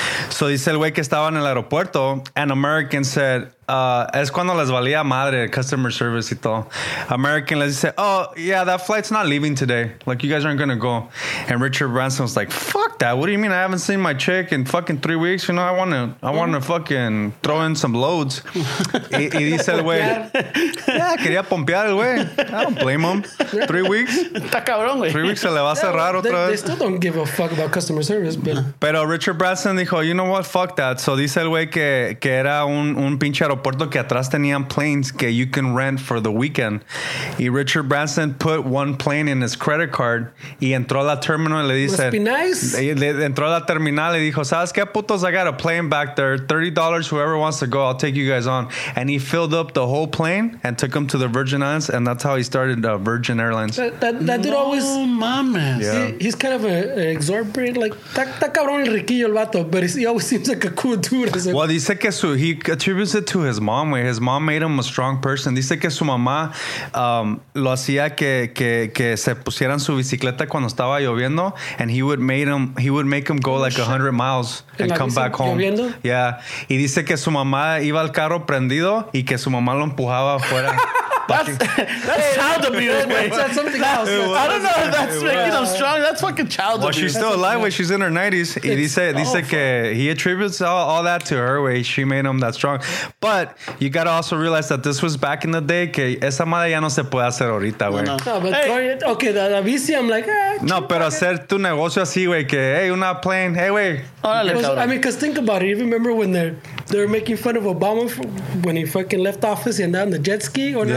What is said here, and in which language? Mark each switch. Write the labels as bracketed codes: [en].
[es] So dice el güey que estaba en el aeropuerto, [en] and American said, [es] es cuando les valía madre, [en] customer service [es] y todo. [en] American les dice, oh, yeah, that flight's not leaving today. Like, you guys aren't going to go. And Richard Branson was like, fuck that. What do you mean? I haven't seen my chick in fucking 3 weeks. You know, I want to fucking throw in some loads. [es] Y dice el güey, yeah, quería pompear el güey. [en] I don't blame him. 3 weeks? [es] Está cabrón, güey. [en] 3 weeks [es] se le va a cerrar otra vez. [en] They still don't give a fuck about customer service, but... [es] Pero Richard Branson dijo, [en] you know what? Fuck that. [es] So dice el güey que era un pinche aeropuerto que atrás tenían planes que [en] you can rent for the weekend. [es] Y Richard Branson [en] put one plane in his credit card [es] y entró a la terminal y le dice... [en] Must be nice. [es] Entró a la terminal y dijo, ¿sabes qué, putos? [en] I got a plane back there. $30, whoever wants to go, I'll take you guys on. And he filled up the whole plane and took him to the Virgin Islands, and that's how he started Virgin Airlines. That dude always... [es] Oh, mames. [en] Yeah. He's kind of an exorbitant, like, [es] está cabrón el riquillo el vato, [en] but he always seems like a cool dude. Well, [es] dice que su... [en] He attributes it to his mom, where his mom made him a strong person. [es] Dice que su mamá lo hacía que se pusieran su bicicleta cuando estaba lloviendo, [en] and he would make him go like 100 miles and come back home. [es] Lloviendo? Yeah. Y dice que su mamá iba al carro prendido y que su mamá lo empujaba afuera. [en] That's child abuse, wait. That's something else. I don't know if that's making him strong. That's fucking child abuse. Well, she's still alive, wait. She's in her 90s. [es] Y dice que [en] he attributes all that to her, wait. She made him that strong. But you got to also realize that this was back in the day, [es] que esa madre ya no se puede hacer ahorita, [en] wait. No, but okay, [es] la bici, [en] I'm like, [es] no, pero hacer tu negocio así, wait, que, hey, una plane, hey, wait. [en] Because think about it. You remember when they're making fun of Obama when he fucking left office and down the jet ski?